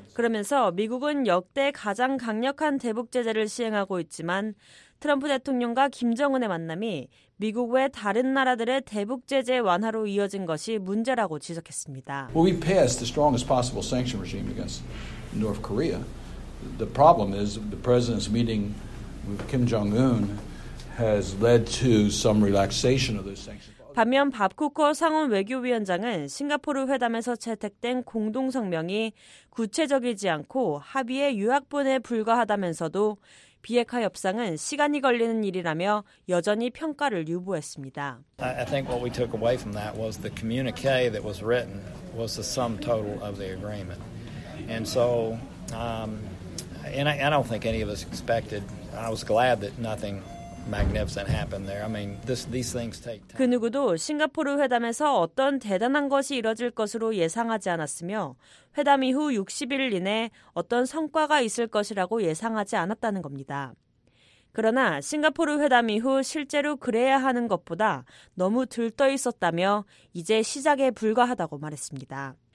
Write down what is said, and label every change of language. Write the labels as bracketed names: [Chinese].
[Korean] 그러면서 미국은 역대 가장 강력한 대북 제재를 시행하고 있지만 트럼프 대통령과 김정은의 만남이 미국 외 다른 나라들의 대북 제재 완화로 이어진 것이 문제라고 지적했습니다. [English] Well, we passed the strongest possible sanction regime against North Korea. The problem is the president's meeting with Kim Jong-un has led to some relaxation of those sanctions. [Korean] 반면 밥 쿠커 상원 외교위원장은 싱가포르 회담에서 채택된 공동성명이 구체적이지 않고 합의의 요약본에 불과하다면서도 비핵화 협상은 시간이 걸리는 일이라며 여전히 평가를 유보했습니다. [English] I think what we took away from that was the communique that was written was the sum total of the agreement. And so, I don't think any of us expected. I was glad that nothing magnificent happened there. I mean, these things take time. [Korean] 그 누구도 싱가포르 회담에서 어떤 대단한 것이 이뤄질 것으로 예상하지 않았으며 회담 이후 60일 이내 어떤 성과가 있을 것이라고 예상하지 않았다는 겁니다. 그러나 싱가포르 회담 이후 실제로 그래야 하는 것보다 너무 들떠 있었다며 이제 시작에 불과하다고 말했습니다.